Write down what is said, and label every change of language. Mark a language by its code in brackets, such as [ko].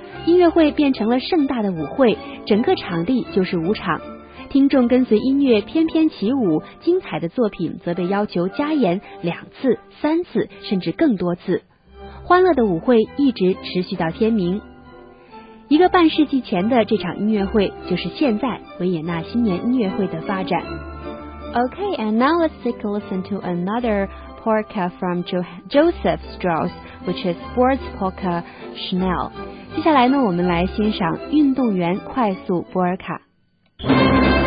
[zh] 音乐会变成了盛大的舞会，整个场地就是舞场，听众跟随音乐翩翩起舞，精彩的作品则被要求加演两次、三次，甚至更多次。欢乐的舞会一直持续到天明。一个半世纪前的这场音乐会，就是现在维也纳新年音乐会的发展。 [en] Okay, and now let's take a listen to another polka from Joseph Strauss, which is Sports Polka Schnell. [zh] 接下来呢，我们来欣赏运动员快速波尔卡。